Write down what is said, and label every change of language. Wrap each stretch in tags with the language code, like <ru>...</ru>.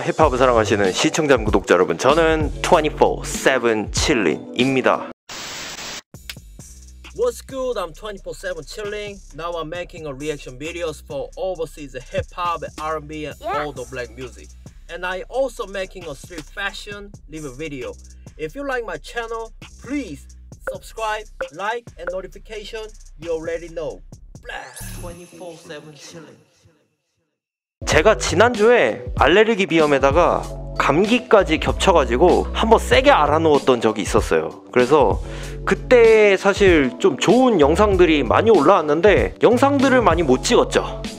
<ko>힙합을 사랑하시는 시청자 구독자 여러분, 저는 24/7 칠링입니다.</ko> <en>What's good? I'm 24/7 chilling. Now I'm making a reaction videos for overseas hip hop, R&B, and all the black music. And I also making a street fashion live video. If you like my channel, please subscribe, like, and notification. You already know. Blast 24/7 chilling.</en> <ko>제가 지난주에 알레르기 비염에다가 감기까지 겹쳐가지고 한번 세게 알아놓았던 적이 있었어요. 그래서 그때 사실 좀 좋은 영상들이 많이 올라왔는데 영상들을 많이 못 찍었죠.</ko>